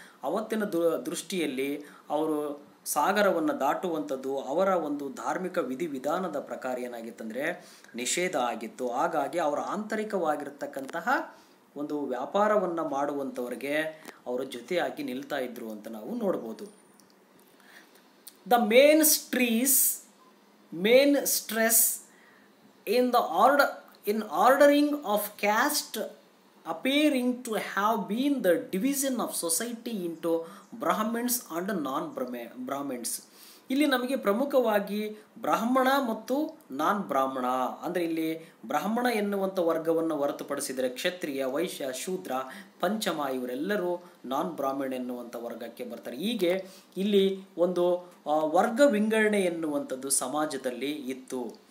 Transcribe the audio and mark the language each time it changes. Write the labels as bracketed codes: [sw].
[kn] ಅವತ್ತಿನ ದೃಷ್ಟಿಯಲ್ಲಿ ಅವರು ಸಾಗರವನ್ನು ದಾಟುವಂಥದ್ದು ಅವರ ಒಂದು ಧಾರ್ಮಿಕ ವಿಧಿವಿಧಾನದ ಪ್ರಕಾರ ಏನಾಗಿತ್ತಂದರೆ ನಿಷೇಧ ಆಗಿತ್ತು. ಹಾಗಾಗಿ ಅವರ ಆಂತರಿಕವಾಗಿರತಕ್ಕಂತಹ ಒಂದು ವ್ಯಾಪಾರವನ್ನು ಮಾಡುವಂಥವ್ರಿಗೆ ಅವರ ಜೊತೆಯಾಗಿ ನಿಲ್ತಾ ಇದ್ರು ಅಂತ ನಾವು ನೋಡ್ಬೋದು. [en] The main stress main stress in the ordering of caste appearing to have been the division of society into brahmins and non brahmins. [kn] ಇಲ್ಲಿ ನಮಗೆ ಪ್ರಮುಖವಾಗಿ ಬ್ರಾಹ್ಮಣ ಮತ್ತು ನಾನ್ ಬ್ರಾಹ್ಮಣ ಅಂದರೆ ಇಲ್ಲಿ ಬ್ರಾಹ್ಮಣ ಎನ್ನುವಂಥ ವರ್ಗವನ್ನು ಹೊರತುಪಡಿಸಿದರೆ ಕ್ಷತ್ರಿಯ ವೈಶ್ಯ ಶೂದ್ರ ಪಂಚಮ ಇವರೆಲ್ಲರೂ ನಾನ್ ಬ್ರಾಹ್ಮಣ ಎನ್ನುವಂಥ ವರ್ಗಕ್ಕೆ ಬರ್ತಾರೆ. ಹೀಗೆ ಇಲ್ಲಿ ಒಂದು ವರ್ಗ ವಿಂಗಡಣೆ ಎನ್ನುವಂಥದ್ದು ಸಮಾಜದಲ್ಲಿ ಇತ್ತು.